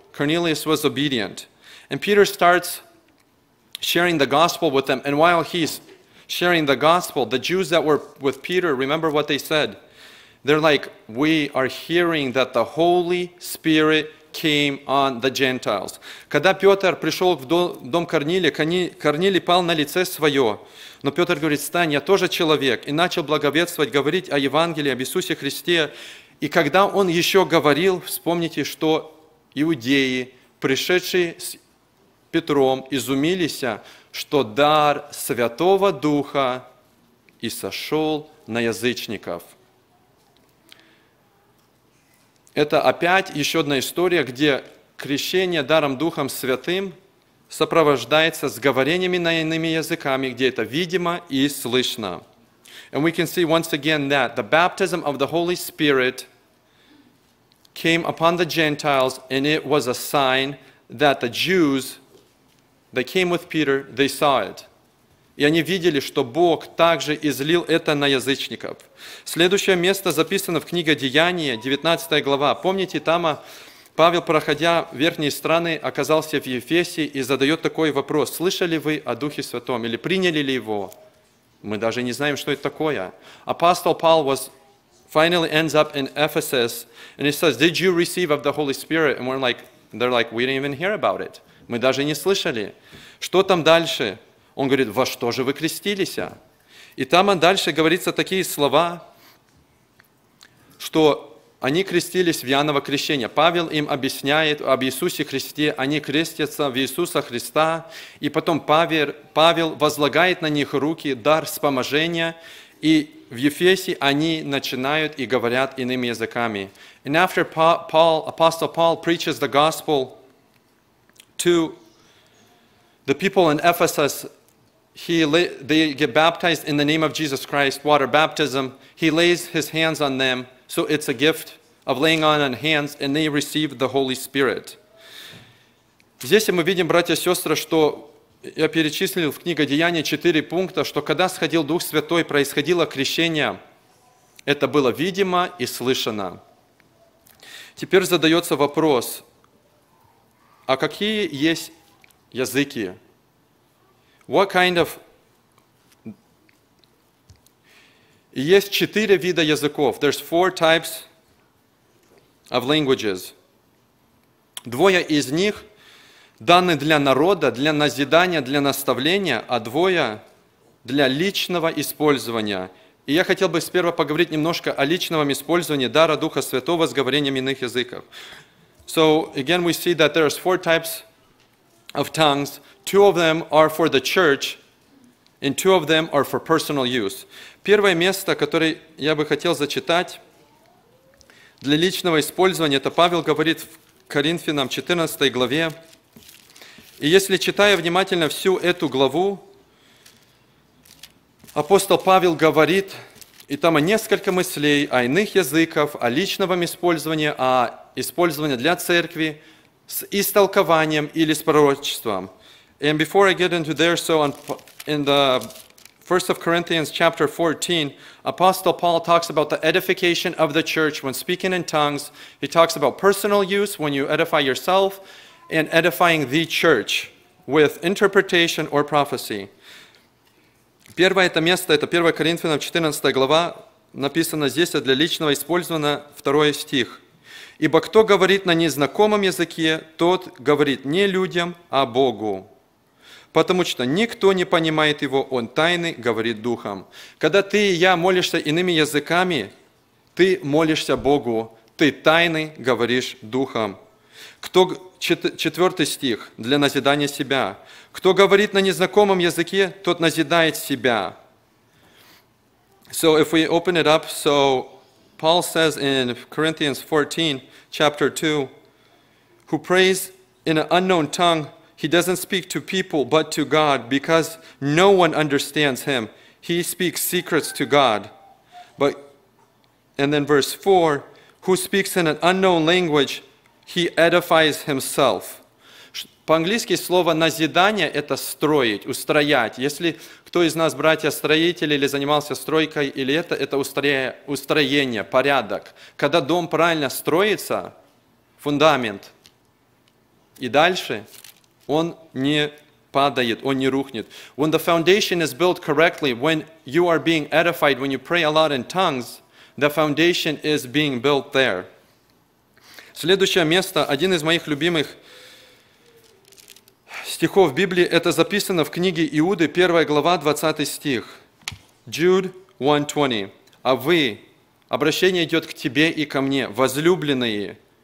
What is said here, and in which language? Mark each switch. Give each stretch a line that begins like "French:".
English: Cornelius was obedient. And Peter starts sharing the gospel with them, and while he's sharing the gospel, the Jews that were with Peter, remember what they said? They're like, we are hearing that the Holy Spirit came on the Gentiles.
Russian: Когда Петр пришел в дом Корнилия, Корнилий пал на лице свое. Но Петр говорит: «Стань, я тоже человек». И начал благовествовать, говорить о Евангелии, об Иисусе Христе. И когда он еще говорил, вспомните, что иудеи, пришедшие с Петром, изумились, что дар Святого Духа и сошел на язычников. Это опять еще одна история, где крещение даром Духом Святым сопровождается с говорениями на иными языками, где это видимо и слышно.
English: And we can see once again that the baptism of the Holy Spirit came upon the Gentiles, and it was a sign that the Jews, they came with Peter, they saw it.
Russian: И они видели, что Бог также излил это на язычников. Следующее место записано в книге Деяния, 19 глава. Помните, там Павел, проходя верхние страны, оказался в Ефесе и задает такой вопрос: слышали вы о Духе Святом или приняли ли его? Мы даже не знаем, что это такое. Апостол Павел
English: finally ends up in Ephesus, and he says, did you receive of the Holy Spirit? And they're like, we didn't even hear about it.
Russian: Мы даже не слышали. Что там дальше? Он говорит: во что же вы крестились? И там дальше говорится такие слова, что они крестились в Иоанново крещение. Павел им объясняет об Иисусе Христе, они крестятся в Иисуса Христа, и потом Павел возлагает на них руки, дар вспоможения, и в Ефесе они начинают и говорят иными языками.
English: And after Paul, Apostle Paul preaches the gospel to the people in Ephesus, they get baptized in the name of Jesus Christ, water baptism. He lays his hands on them. So it's a gift of laying on hands, and they receive the Holy Spirit.
Russian: Здесь мы видим, братья и сестры, что я перечислил в книге Деяния 4 пункта, что когда сходил Дух Святой, происходило крещение. Это было видимо и слышано. Теперь задается вопрос, а какие есть языки?
English: What kind of...
Russian: Есть четыре вида языков.
English: There's four types of languages.
Russian: Двое из них даны для народа, для назидания, для наставления, а двое для личного использования. И я хотел бы сперва поговорить немножко о личном использовании дара Духа Святого с говорением иных языков.
English: So again, we see that there's four types of tongues. Two of them are for the church, And two of them are for personal use.
Russian: Первое место, которое я бы хотел зачитать для личного использования, это Павел говорит в Коринфянам 14 главе. И если читая внимательно всю эту главу, апостол Павел говорит, и там о несколько мыслей, о иных языках, о личном использовании, о использовании для церкви с истолкованием или с пророчеством.
English: And before I get into there, so in the 1 Corinthians chapter 14, Apostle Paul talks about the edification of the church when speaking in tongues. He talks about personal use when you edify yourself and edifying the church with interpretation or prophecy.
Russian: Первое это место, это 1 Коринфянам 14 глава, написано здесь, а для личного использования 2 стих. Ибо кто говорит на незнакомом языке, тот говорит не людям, а Богу. Потому что никто не понимает его, он тайны говорит духом. Когда ты и я молишься иными языками, ты молишься Богу, ты тайны говоришь духом. Кто, 4 стих для назидания себя. Кто говорит на незнакомом языке, тот назидает себя.
English: So if we open it up, so Paul says in Corinthians 14, chapter 2, who prays in an unknown tongue, he doesn't speak to people but to God, because no one understands him. He speaks secrets to God. But, and then verse 4, who speaks in an unknown language, he edifies himself.
Russian: По-английски слово «назидание» — это «строить», «устроять». Если кто из нас, братья, строитель или занимался стройкой, или это устроение, порядок. Когда дом правильно строится, фундамент, и дальше он не падает, он не рухнет.
English: When the foundation is built correctly, when you are being edified, when you pray a lot in tongues, the foundation is being built there.
Russian: Следующее место, один из моих любимых стихов Библии, это записано в книге Иуды, 1 глава, 20 стих.
English: Jude 1:20.
Russian: А вы, обращение идет к тебе и ко мне, возлюбленные.